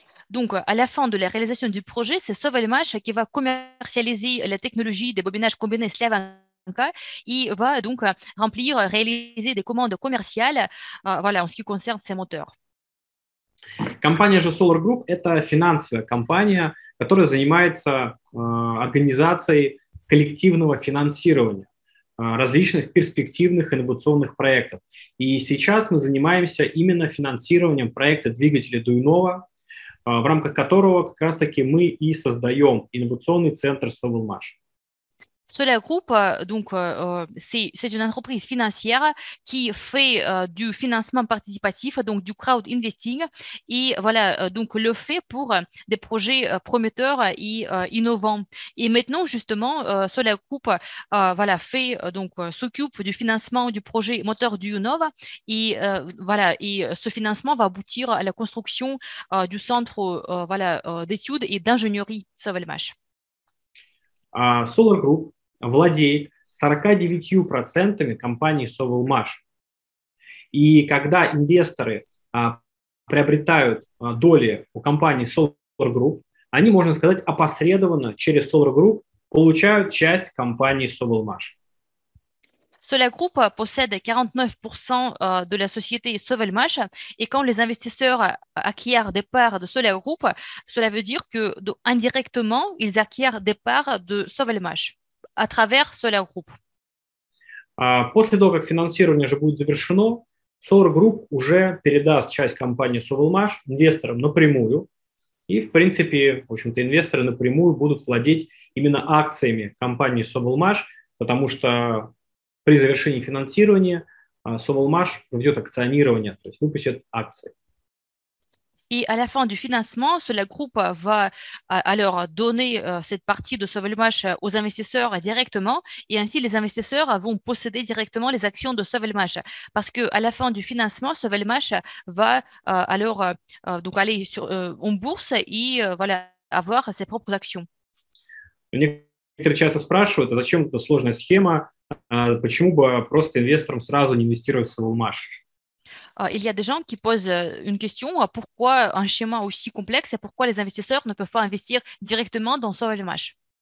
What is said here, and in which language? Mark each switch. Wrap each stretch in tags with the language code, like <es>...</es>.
<fr>Donc, à la fin de la réalisation du projet, c'est Sovelmash qui va commercialiser la technologie des bobinages combinés Slavenka et va donc remplir, réaliser des commandes commerciales voilà, en ce qui concerne ces moteurs.</fr> <ru>Компания же Solar Group – это финансовая компания, которая занимается организацией коллективного финансирования различных перспективных инновационных проектов. И сейчас мы занимаемся именно финансированием проекта двигателя Дуйнова, в рамках которого как раз-таки мы и создаем инновационный центр Sovelmash.</ru> <fr>Solaire Group, donc, c'est une entreprise financière qui fait du financement participatif, donc du crowd investing, et voilà, donc le fait pour des projets prometteurs et innovants. Et maintenant, justement, Solaire Group voilà, fait, donc, s'occupe du financement du projet moteur du Unova, et voilà, et ce financement va aboutir à la construction du centre voilà, d'études et d'ingénierie Sauvelmash.</fr> <ru>Solar Group владеет 49% компании Sovelmash. И когда инвесторы приобретают доли у компании Solar Group, они, можно сказать, опосредованно через Solar Group получают часть компании Sovelmash.</ru> <fr>Solar Group possède 49% de la société Sovelmash, et quand les investisseurs acquièrent des parts de Solar Group, cela veut dire que indirectement, ils acquièrent des parts de Sovelmash à travers Solar Group.</fr> <ru>После того, как финансирование уже будет завершено, Solar Group уже передаст часть компании Sovelmash инвесторам напрямую, и в принципе, в общем-то, инвесторы напрямую будут владеть именно акциями компании Sovelmash, потому что при завершении финансирования Sovelmash проведет акционирование, то есть выпустит акции.</ru> <fr>Et à la fin du financement, Solar Group va alors donner cette partie de Sovelmash aux investisseurs directement, et ainsi les investisseurs vont posséder directement les actions de Sovelmash. Parce que à la fin du financement, Sovelmash va alors donc aller sur en bourse et voilà avoir ses propres actions.</fr> <ru>Некоторые часто спрашивают, зачем эта сложная схема? Почему бы просто инвесторам сразу не инвестировать в Sovelmash?</ru> <fr>Il y a des gens qui posent une question, pourquoi un schéma aussi complexe et pourquoi les investisseurs ne peuvent pas investir directement dans Sovelmash?</fr>